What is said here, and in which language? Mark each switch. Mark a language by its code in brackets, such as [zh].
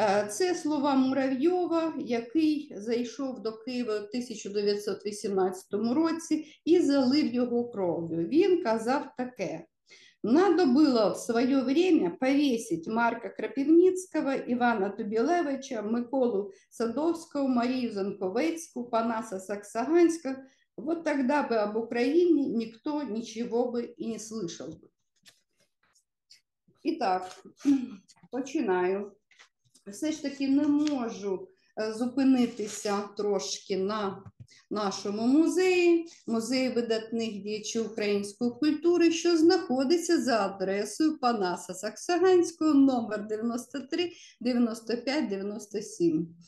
[uk] Це слова Муравйова, який зайшов до Києва в 1918 році і залив його кров'ю. [ru] Він казав таке: «Надо было в свое время повесить Марка Кропивницкого, Ивана Тобилевича, Миколу Садовского, Марию Занковецкую, Панаса Саксаганского. Вот тогда бы об Украине никто ничего бы и не слышал бы». [uk] Итак, починаю. Все ж таки не можу зупинитися трошки на нашому музеї, музеї видатних діячів української культури, що знаходиться за адресою Панаса Саксаганського, номер 93-95-97.